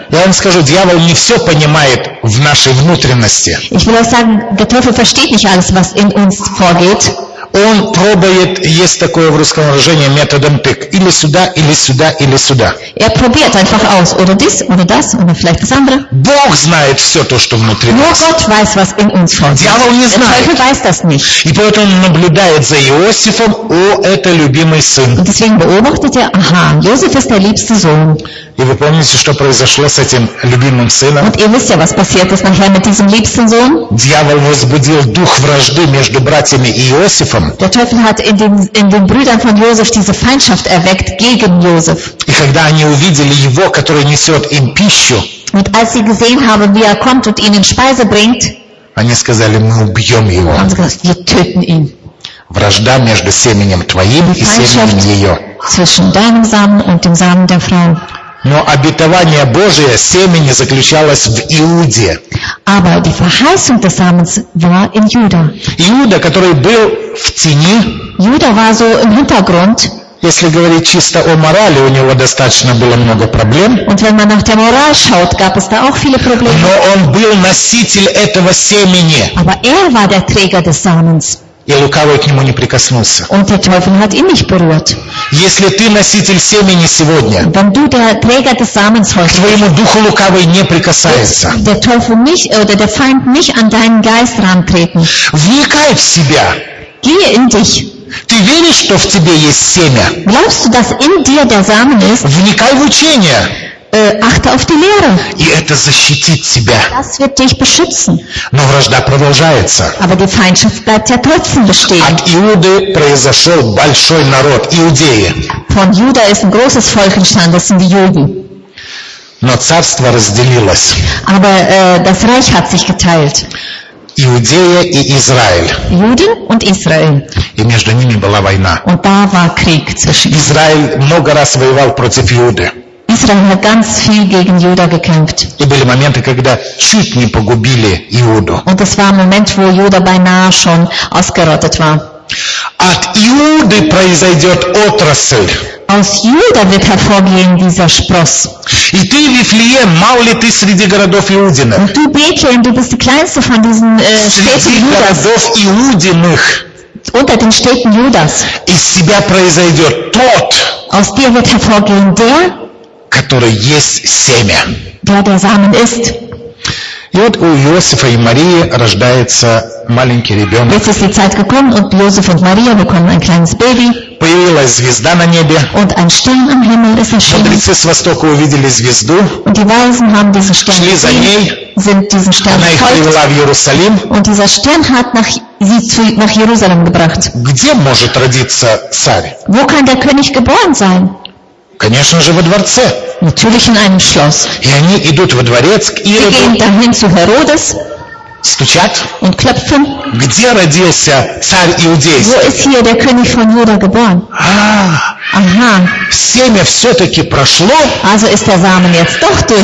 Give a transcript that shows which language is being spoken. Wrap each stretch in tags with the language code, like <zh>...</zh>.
<ru>Я вам скажу, дьявол не все понимает в нашей внутренности.</ru> <de>Ich will auch sagen, der Teufel versteht nicht alles, was in uns vorgeht.</de> <ru>Он пробует, есть такое в русском выражении, методом тык. Или сюда, или сюда, или сюда.</ru> <de>Er probiert einfach aus. Oder dies, oder das, oder vielleicht das andere.</de> <ru>Бог знает все то, что внутри</ru> <de>Nur</de> <ru>нас.</ru> <de>Nur Gott weiß, was in uns vorgeht.</de> <ru>Дьявол не знает.</ru> <de>Der Teufel weiß das nicht.</de> <ru>И поэтому он наблюдает за Иосифом, о, это любимый сын.</ru> <de>Und deswegen beobachtet er, aha, Josef ist der liebste Sohn.</de> <ru>И вы помните, что произошло с этим любимым сыном?</ru> <de>Und ihr wisst ja, was passiert ist nachher mit diesem liebsten Sohn?</de> <ru>Дьявол возбудил дух вражды между братьями и Иосифом.</ru> <de>Der Teufel hat in den Brüdern von Josef diese Feindschaft erweckt gegen Josef. Und als sie gesehen haben, wie er kommt und ihnen Speise bringt,</de> <ru>сказали,</ru> <de>haben sie gesagt, wir töten ihn.</de> <ru>Вражда между семенем твоим и семенем ее.</ru> <de>Zwischen deinem Samen und dem Samen der Frau.</de> <ru>Но обетование Божие семени заключалось в Иуде.</ru> <de>Aber die Verheißung des Samens war in Juda.</de> <ru>Иуда, который был в тени.</ru> <de>Juda war so im Hintergrund.</de> <ru>Если говорить чисто о морали, у него достаточно было много проблем.</ru> <de>Und wenn man nach der Moral schaut, gab es da auch viele Probleme.</de> <ru>Но он был носитель этого семени.</ru> <de>Aber er war der Träger des Samens.</de> <ru>И лукавый к нему не прикоснулся.</ru> <de>Und der Teufel hat ihn nicht berührt.</de> <ru>Если ты носитель семени сегодня,</ru> <de>wenn du der Träger des Samens heute,</de> <ru>к твоему духу лукавый не прикасается.</ru> <de>Der Teufel nicht, oder der Feind nicht an deinen Geist rantreten.</de> <ru>Вникай в себя.</ru> <de>Gehe in dich.</de> <ru>Ты веришь, что в тебе есть семя?</ru> <de>Glaubst du, dass in dir der Samen ist?</de> <ru>Вникай в учение.</ru> <de>Achte auf die Lehre.</de> <ru>И это защитит тебя.</ru> <de>Das wird dich beschützen.</de> <ru>Но вражда продолжается.</ru> <de>Aber die Feindschaft bleibt ja trotzdem bestehen.</de> <ru>От Иуды произошел большой народ, иудеи.</ru> <de>Von Juda ist ein großes Volk entstanden, das sind die Juden.</de> <ru>Но царство разделилось.</ru> <de>Aber das Reich hat sich geteilt.</de> <ru>Иудея и Израиль.</ru> <de>Juden und Israel.</de> <ru>И между ними была война.</ru> <de>Und da war Krieg zwischen.</de> <ru>Израиль много раз воевал против Иуды.</ru> <de>Israel hat ganz viel gegen Juda gekämpft.</de> <ru>И были моменты, когда чуть не погубили Иуду.</ru> <de>Und es war ein Moment, wo Juda beinahe schon ausgerottet war.</de> <ru>От Иуды произойдет отрасль.</ru> <de>Aus Juda wird hervorgehen dieser Spross.</de> <ru>И ты, Вифлеем, мал ли ты среди городов Иудиных?</ru> <de>Und du, Bethlehem, du bist die kleinste von diesen Städten Judas.</de> <ru>Среди городов Иудиных.</ru> <de>Unter den Städten Judas.</de> <ru>Из себя произойдет тот.</ru> <de>Aus dir wird hervorgehen der.</de> <ru>Который есть семя.</ru> <de>Der der Samen ist.</de> <ru>И вот у Иосифа и Марии рождается маленький ребенок.</ru> <de>Jetzt ist die Zeit gekommen und Josef und Maria bekommen ein kleines Baby.</de> <ru>Появилась звезда на небе.</ru> <de>Und ein Stern am Himmel ist erschienen.</de> <ru>Мудрецы с востока увидели звезду.</ru> <de>Und die Weisen haben diesen Stern gesehen.</de> <ru>Шли за ней.</ru> <de>Sind diesen Stern gefolgt.</de> <ru>Она их привела в Иерусалим.</ru> <de>Und dieser Stern hat sie nach Jerusalem gebracht.</de> <ru>Где может родиться царь?</ru> <de>Wo kann der König geboren sein?</de> <ru>Конечно же, во дворце.</ru> <de>Natürlich in einem Schloss.</de> <ru>И они идут во дворец к Ироду.</ru> <de>Sie gehen dahin zu Herodes.</de> <ru>Стучат.</ru> <de>Und klopfen.</de> <ru>Где родился царь иудейский?</ru> <de>Wo ist hier der König von Juda geboren? Aha.</de> <ru>Семя все-таки прошло.</ru> <de>Also ist der Samen jetzt doch durchgekommen.</de>